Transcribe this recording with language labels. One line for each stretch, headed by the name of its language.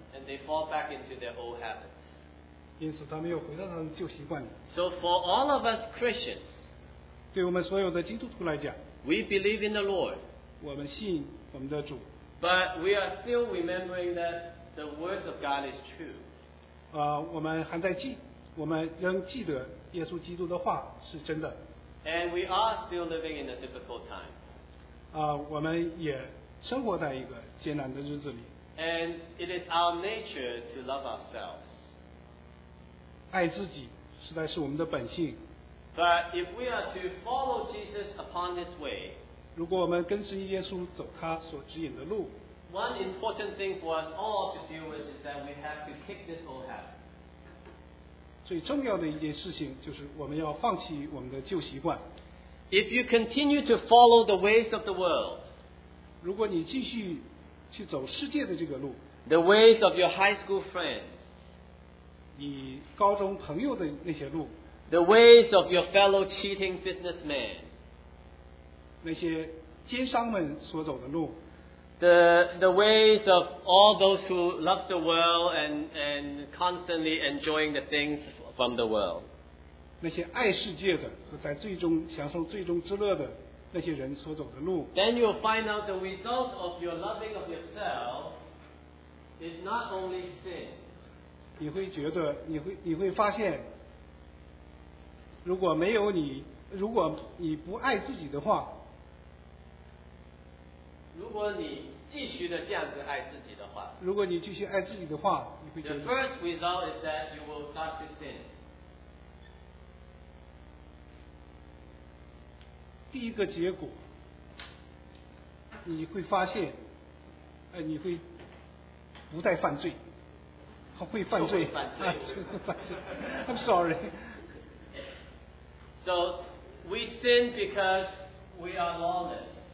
English: And they fall back into their old habits.
Chinese: 因此他们又回到他们的旧习惯里。
English: So for all of us Christians,
Chinese: 对我们所有的基督徒来讲
English: we believe in the Lord.
Chinese: 我们信我们的主。
English: But we are still remembering that the words of God is true.
Chinese: 我们还在记我们仍记得耶稣基督的话是真的。
English: And we are still living in a difficult time.
Chinese: 我们也生活在一个艰难的日子里。
English: And it is our nature to love ourselves.
Chinese: 爱自己实在是我们的本性。
English: But if we are to follow Jesus upon his way,
Chinese: 如果我们跟随耶稣走他所指引的路，
English: one important thing for us all to deal with is that we have to kick this old habit.
Chinese: 最重要的一件事情就是我们要放弃我们的旧习惯。
English: If you continue to follow the ways of the world,
Chinese: 如果你继续去走世界的这个路，
English: the ways of your high school friends,
Chinese: 你高中朋友的那些路，
English: the ways of your fellow cheating businessmen,
Chinese: 那些奸商们所走的路，
English: the ways of all those who love the world and constantly enjoying the things from the world.
Chinese: 那些爱世界的和在最终享受最终之乐的那些人所走的路。
English: Then you'll find out the result of your loving of yourself is not only sin.
Chinese: 你会觉得你会发现如果你不爱自己的话，如果你继续的这样子爱自己的话，如果你继续爱自己的话，你会觉得
English: the first result is that you will start to sin.
Chinese: 第一个结果你会发现你会不再犯罪，会犯罪，犯罪
English: I'm sorry. So we sin because we are lawless.